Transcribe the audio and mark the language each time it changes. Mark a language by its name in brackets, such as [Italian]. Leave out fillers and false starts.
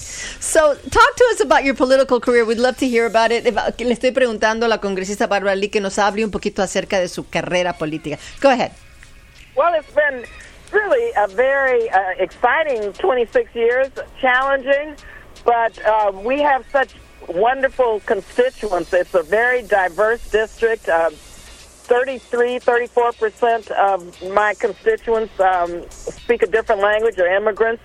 [English] So talk to us about your political career. We'd love to hear about it. [Spanish] Le estoy preguntando a la congresista Bárbara Lee que nos hable un poquito acerca de su carrera política. [English] Go ahead. Well, it's been really a very exciting 26 years, challenging, but we have such wonderful constituents. It's a very diverse district. 33-34% of my constituents speak a different language or immigrants.